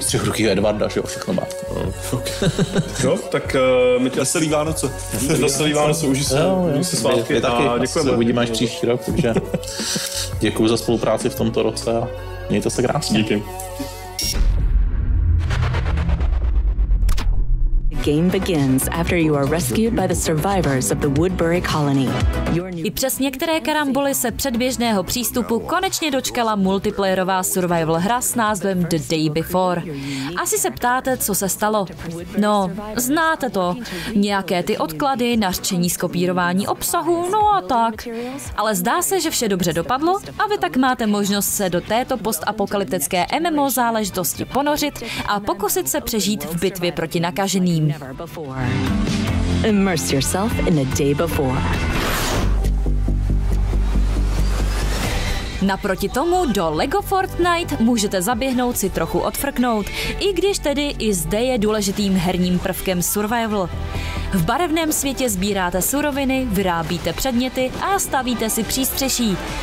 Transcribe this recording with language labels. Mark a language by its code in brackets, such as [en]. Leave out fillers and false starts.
[cs] Střih ruky Edvarda, že jo, všechno má. Jo, tak my tě... Veselý Vánoce. Veselý Vánoce, užij se, se svátky a taky, děkujeme. Se uvidíme až příští rok, takže děkuju za spolupráci v tomto roce a mějte se krásně. Díky. [en] Game begins after you are rescued by the survivors of the Woodbury colony. [cs] I přes některé karamboly se předběžného přístupu konečně dočkala multiplayerová survival hra s názvem The Day Before. Asi se ptáte, co se stalo. No, znáte to. Nějaké ty odklady, nařčení skopírování obsahu, no a tak. Ale zdá se, že vše dobře dopadlo a vy tak máte možnost se do této postapokalyptické MMO záležitosti ponořit a pokusit se přežít v bitvě proti nakaženým. [en] Never before. Immerse yourself in a day before. [cs] Naproti tomu do LEGO Fortnite můžete zaběhnout si trochu odfrknout, i když tedy i zde je důležitým herním prvkem survival. V barevném světě sbíráte suroviny, vyrábíte předměty a stavíte si přístřeší.